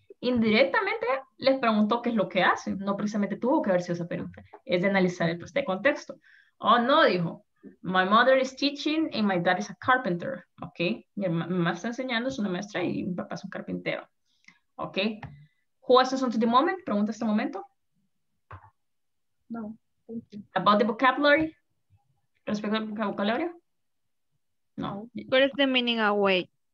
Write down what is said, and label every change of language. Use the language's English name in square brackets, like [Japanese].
[Spanish] Indirectamente, les preguntó qué es lo que hacen. No precisamente tuvo que haber sido esa pregunta. Es de analizar el contexto. Oh, no, dijo. [English] My mother is teaching and my dad is a carpenter. Ok. [Spanish] Mi mamá está enseñando, es una maestra y mi papá es un carpintero. [English] Ok. Who has this on to the moment? [Spanish] Pregunta este momento. [English] No. Thank you. About the vocabulary? [Spanish] Respecto al vocabulario? [English] No. What is the meaning away?